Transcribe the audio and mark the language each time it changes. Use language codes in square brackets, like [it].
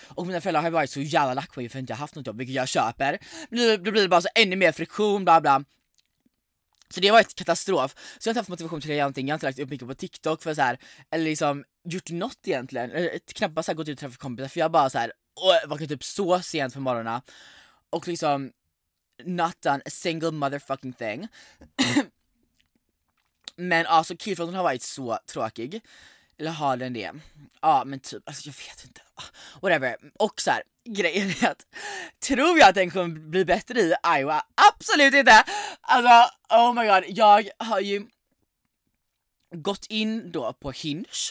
[sv] Och mina föräldrar har varit så jävla lack på mig för att jag har haft något jobb, vilket jag köper. Då blir det bara så ännu mer friktion, bla bla. Så det var ett katastrof. Så jag har inte haft motivation till det egentligen. Jag har inte lagt upp mycket på TikTok för så här, eller liksom gjort något egentligen. Eller knappast gått ut och träffat kompisar. För jag bara så här, vaknat upp så sent på morgonen. Och liksom [en] not done a single motherfucking thing. [sv] Men alltså killfronten har varit så tråkig. Eller har den det? Ja, men typ, alltså jag vet inte. [en] Whatever. [sv] Och så här, grejen är att tror jag att den kommer bli bättre i Iowa? Absolut inte. Alltså, [en] oh my god. [sv] Jag har ju gått in då på Hinge.